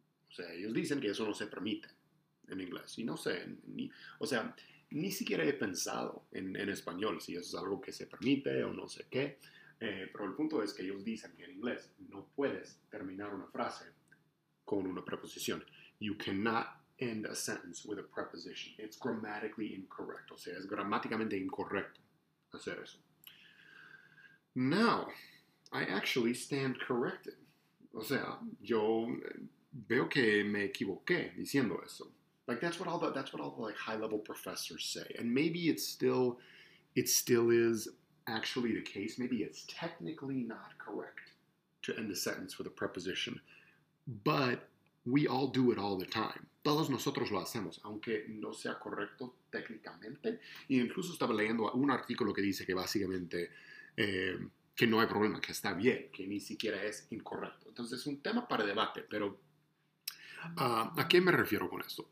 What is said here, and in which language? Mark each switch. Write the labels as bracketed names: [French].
[Spanish] O sea, ellos dicen que eso no se permite en inglés. Y no sé, o sea, ni siquiera he pensado en español si eso es algo que se permite o no sé qué. Pero el punto es que ellos dicen que en inglés no puedes terminar una frase con una preposición. [English] You cannot end a sentence with a preposition. It's grammatically incorrect. [Spanish] O sea, es gramáticamente incorrecto hacer eso. [English] Now, I actually stand corrected. [Spanish] O sea, yo veo que me equivoqué diciendo eso. [English] Like that's what all the like high level professors say, and maybe it still is actually the case. Maybe it's technically not correct to end a sentence with a preposition, but we all do it all the time. [Spanish] Todos nosotros lo hacemos, aunque no sea correcto técnicamente. Y incluso estaba leyendo un artículo que dice que básicamente que no hay problema, que está bien, que ni siquiera es incorrecto. Entonces es un tema para debate, pero ¿a qué me refiero con esto?